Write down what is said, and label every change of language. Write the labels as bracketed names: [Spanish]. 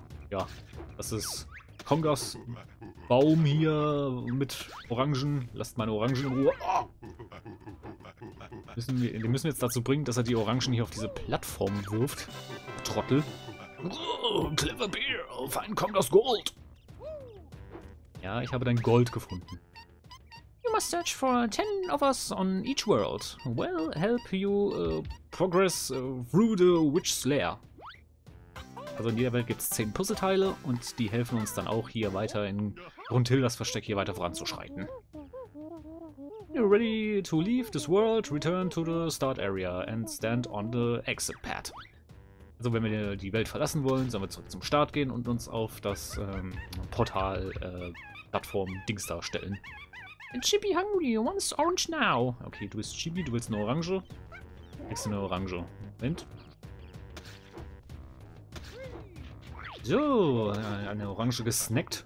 [German] Ja, das ist Congas Baum hier mit Orangen. Lasst meine Orangen in Ruhe. Oh. Den müssen wir jetzt dazu bringen, dass er die Orangen hier auf diese Plattform wirft. Trottel. [English] Oh, clever bear. Find Congas Gold. [German] Ja, ich habe dein Gold gefunden. [English] You must search for 10 of us on each world. We'll help you progress through the Witch's Lair. [German] Also in jeder Welt gibt es 10 Puzzleteile und die helfen uns dann auch hier weiter in Brunhildas Versteck hier weiter voranzuschreiten. [English] You're ready to leave this world, return to the start area and stand on the exit pad. [German] Also wenn wir die Welt verlassen wollen, sollen wir zurück zum Start gehen und uns auf das Portal-Plattform-Dings darstellen. [English] Chibi hungry, wants orange now. [German] Okay, du bist Chibi, du willst eine Orange. Kriegst du eine Orange. Moment. So, eine Orange gesnackt.